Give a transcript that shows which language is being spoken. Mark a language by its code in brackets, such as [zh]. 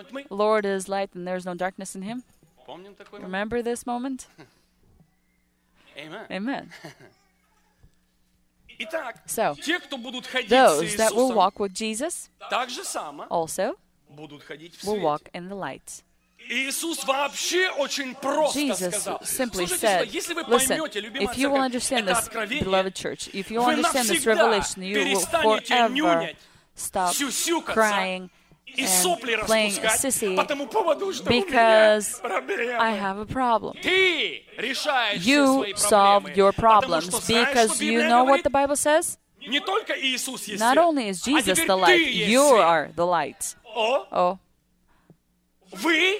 [en] Lord is light and there is no darkness in Him. Remember this moment? Amen. So, those that will walk with Jesus also will walk in the light. [ru] Иисус вообще очень просто [en] Jesus [ru] сказал. [en] Simply said, [ru] если вы [en] listen, [ru] поймете, любимая [en] if you [ru] церковь, [en] will understand this, [ru] это откровение, [en] beloved church, if you understand this revelation, you will forever stop crying [ru] и сопли [en] playing [ru] распускать по тому поводу, что [en] because [ru] у меня проблемы. [en] I have a problem. [ru] Ты решаешь [en] you solve [ru] проблемы, [en] your problems [ru] потому, [en] because [ru] знаешь, [en] you know [ru] говорит? [en] What the Bible says? [ru] Не только Иисус есть. [en] Not only is Jesus [ru] а [en] the light, you [ru] есть. [en] Are the light. [ru] Oh. Вы